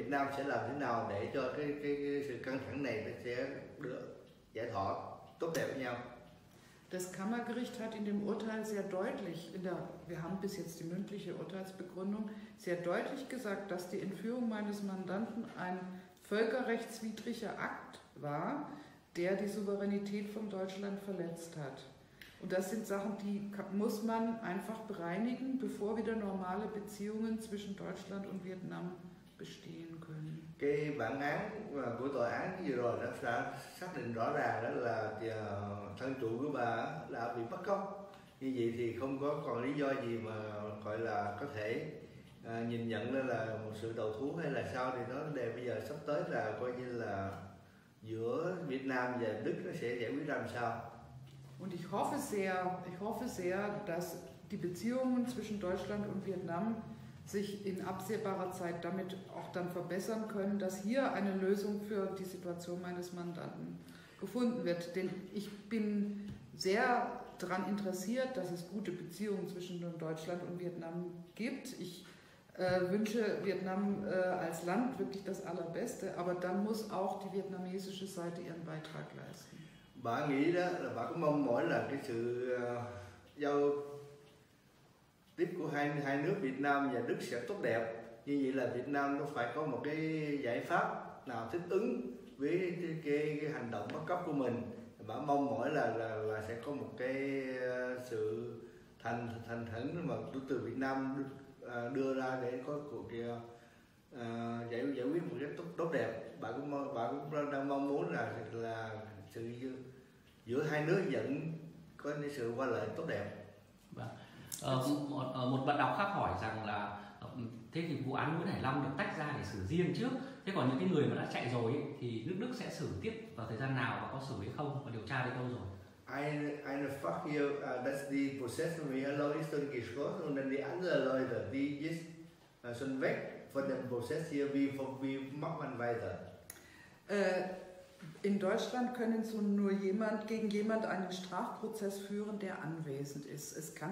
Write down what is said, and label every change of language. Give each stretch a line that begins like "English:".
Vietnamese: Việt Nam sẽ làm thế nào để cho cái sự căng thẳng này nó sẽ được giải thoát tốt đẹp với nhau?
German: Das Kammergericht hat in dem Urteil sehr deutlich, wir haben bis jetzt die mündliche Urteilsbegründung, sehr deutlich gesagt, dass die Entführung meines Mandanten ein völkerrechtswidriger Akt war, der die Souveränität von Deutschland verletzt hat. Und das sind Sachen, die muss man einfach bereinigen, bevor wieder normale Beziehungen zwischen Deutschland und Vietnam bestehen können.
Vietnamese: Cái bản án của tòa án vừa rồi đã xác định rõ ràng đó là thân chủ của bà đã bị bắt cóc. Như vậy thì không có còn lý do gì mà gọi là có thể nhìn nhận là một sự đầu thú hay là sao, thì nó đề bây giờ sắp tới là coi như là giữa Việt Nam và Đức nó sẽ giải quyết làm sao.
German: Und ich hoffe sehr, dass die Beziehungen zwischen Deutschland und Vietnam sich in absehbarer Zeit damit auch dann verbessern können, dass hier eine Lösung für die Situation meines Mandanten gefunden wird. Denn ich bin sehr daran interessiert, dass es gute Beziehungen zwischen Deutschland und Vietnam gibt. Ich wünsche Vietnam als Land wirklich das Allerbeste, aber dann muss auch die vietnamesische Seite ihren Beitrag leisten.
Vietnamese: Bà nghĩ đó là bà cũng mong mỏi là cái sự giao tiếp của hai nước Việt Nam và Đức sẽ tốt đẹp. Như vậy là Việt Nam nó phải có một cái giải pháp nào thích ứng với cái hành động bất cấp của mình. Bà mong mỏi là sẽ có một cái sự thành thẩn mà từ Việt Nam đưa ra để có cuộc giải quyết một cách tốt đẹp. Bà cũng đang mong muốn là sự giữa hai nước vẫn có những sự qua lại tốt đẹp. Một bạn đọc khác hỏi rằng là thế thì vụ án Nguyễn Hải Long được tách ra để xử riêng trước, thế còn những cái người mà đã chạy rồi ấy, thì nước Đức sẽ xử tiếp vào thời gian nào và có xử hay không và điều tra đến đâu rồi?
German: Eine Frage, dass die Prozess von mir erlaubt ist und geschlossen und dann die anderen Leute, die jetzt schon weg von dem Prozess hier, wie macht man weiter? In Deutschland können so nur jemand gegen jemand einen Strafprozess führen, der anwesend ist.